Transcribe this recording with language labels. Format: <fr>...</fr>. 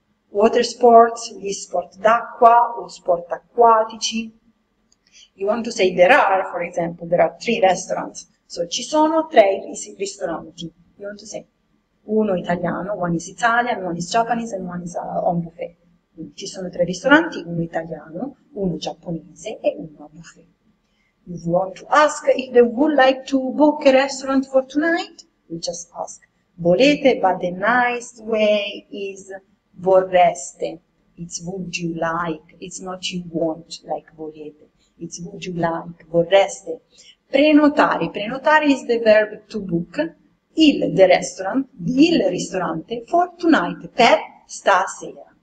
<en>Water sports,</en> <it>gli sport d'acqua o sport acquatici.</it> <en>You want to say there are, for example, there are three restaurants. So</en> <it>ci sono tre ristoranti.</it> <en>You want to say</en> <it>uno italiano,</it> <en>one is Italian, one is Japanese and one is on buffet.</en> <it>Ci sono tre ristoranti, uno italiano, uno giapponese e uno a buffet.</it> <en>You want to ask if they would like to book a restaurant for tonight? You just ask. Volete, but the nice way is vorreste. It's would you like, it's not you want like volete. It's would you like, vorreste.</en> <it>Prenotare, prenotare</it> <en>is the verb to book il, the restaurant,</en> <it>il ristorante</it> <en>for tonight,</en> <it>per stasera.</it>